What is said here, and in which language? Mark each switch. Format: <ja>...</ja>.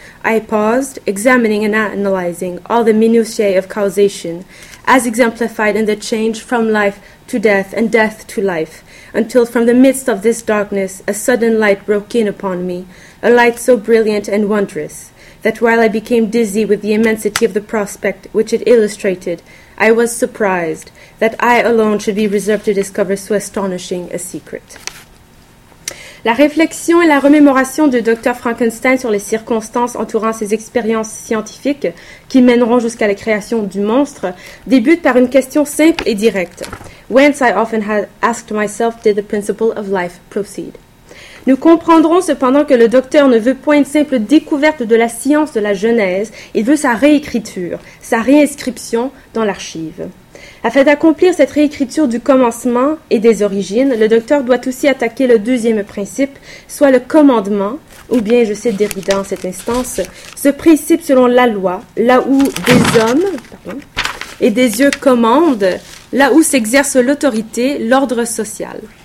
<en>I paused, examining and analyzing all the minutiae of causation, as exemplified in the change from life to death and death to life, until from the midst of this darkness a sudden light broke in upon me, a light so brilliant and wondrous, that while I became dizzy with the immensity of the prospect which it illustrated, I was surprised that I alone should be reserved to discover so astonishing a secret.</en> <fr>La réflexion et la remémoration de Dr. Frankenstein sur les circonstances entourant ses expériences scientifiques qui mèneront jusqu'à la création du monstre débute par une question simple et directe.</fr> <en>Whence I often had asked myself, did the principle of life proceed?</en> <fr>Nous comprendrons cependant que le docteur ne veut point une simple découverte de la science de la Genèse, il veut sa réécriture, sa réinscription dans l'archive. Afin d'accomplir cette réécriture du commencement et des origines, le docteur doit aussi attaquer le deuxième principe, soit le commandement, ou bien, je cite Derrida en cette instance, ce principe selon la loi, là où des hommes et des yeux commandent, là où s'exerce l'autorité, l'ordre social.</fr>